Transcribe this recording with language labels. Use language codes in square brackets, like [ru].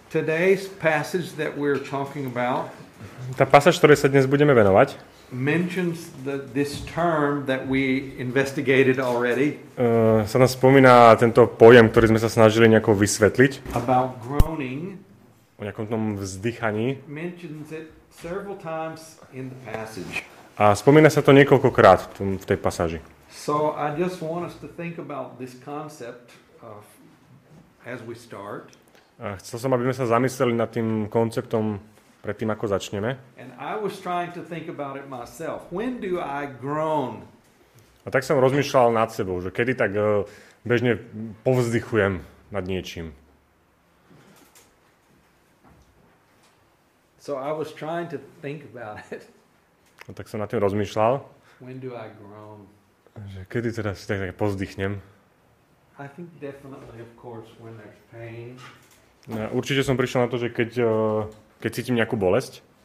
[en] Today's passage that we're talking about. [sk] Tá pasáž, ktorej sa dnes budeme venovať. [en] Mentions this term that we investigated already. [sk] Sa nám spomína tento pojem, ktorý sme sa snažili nejako vysvetliť. [en] About groaning. [sk] O nejakom tom vzdychaní. [en] Mentions it several times in the passage. [sk] A spomína sa to niekoľkokrát v tej pasáži. [en] So I just want us to think about this concept as we start. [sk] Chcel som, aby sme sa zamysleli nad tým konceptom predtým, ako začneme. [en] And I was trying to think about it myself. When do I groan? [sk] A tak som rozmýšľal nad sebou, že kedy tak bežne povzdychujem nad niečím. [en] So I was trying to think about it. [sk] A tak som nad tým rozmýšľal. [en] When do I groan? [sk] Že kedy teda si tak povzdychnem? [en] I think definitely, of course, when there's pain. [sk] No, určite som prišiel na to, že keď cítim nejakú bolesť.